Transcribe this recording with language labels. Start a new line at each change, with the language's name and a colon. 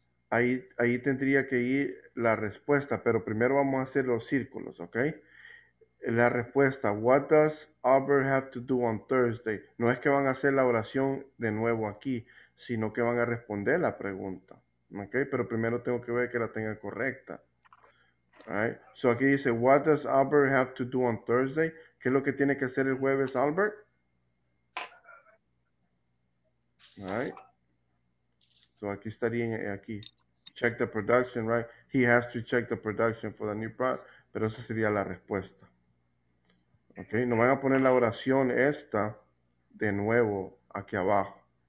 Spanish: Ahí tendría que ir la respuesta, pero primero vamos a hacer los círculos, okay. La respuesta,
English: what does Albert have to do on Thursday?
Spanish: No es que van a hacer la oración de nuevo aquí, sino que van a responder la pregunta. Okay, pero primero tengo que ver que la tenga correcta. Alright, so aquí dice,
English: what does Albert have to do on Thursday?
Spanish: ¿Qué es lo que tiene que hacer el jueves, Albert?
English: Alright, so
Spanish: aquí estaría aquí.
English: Check the production, right? He has to check the production for the new product.
Spanish: Pero esa sería la respuesta. Okay, nos van a poner la oración esta de nuevo aquí abajo.